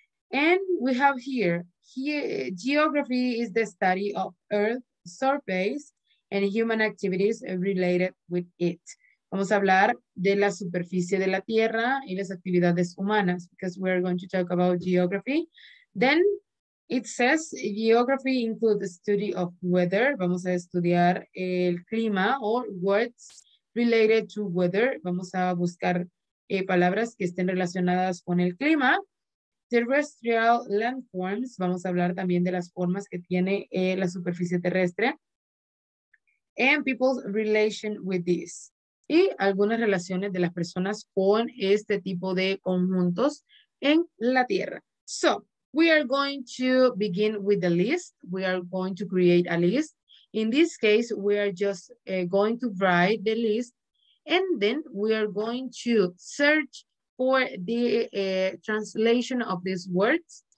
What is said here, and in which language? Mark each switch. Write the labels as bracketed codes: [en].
[en] And we have here geography is the study of earth surface and human activities related with it. [es] Vamos a hablar de la superficie de la Tierra y las actividades humanas, [en] because we're going to talk about geography. Then it says geography includes the study of weather. [es] Vamos a estudiar el clima [en] or words related to weather. [es] Vamos a buscar palabras que estén relacionadas con el clima. [en] Terrestrial landforms. [es] Vamos a hablar también de las formas que tiene la superficie terrestre. [en] And people's relation with this. [es] Y algunas relaciones de las personas con este tipo de conjuntos en la Tierra. [en] So, we are going to begin with the list. We are going to create a list. In this case, we are just going to write the list. And then we are going to search for the translation of these words.